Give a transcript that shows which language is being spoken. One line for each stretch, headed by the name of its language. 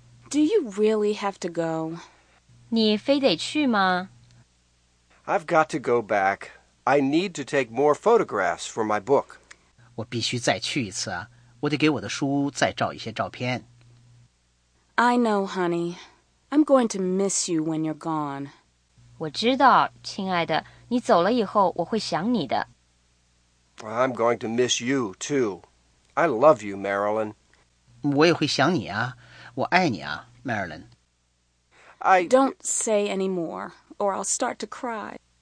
English: Do you really have to go?
Chinese: 你非得去吗？
English: I've got to go back. I need to take more photographs for my book.
Chinese: 我必须再去一次啊，我得给我的书再照一些照片。
English: I know, honey. I'm going to miss you when you're gone.
Chinese: 我知道，亲爱的，你走了以后我会想你的。
English: I'm going to miss you, too. I love you, Marilyn.
Chinese: 我也会想你啊，我爱你啊，Marilyn。
English: I... Don't say any more. Or I'll start to cry.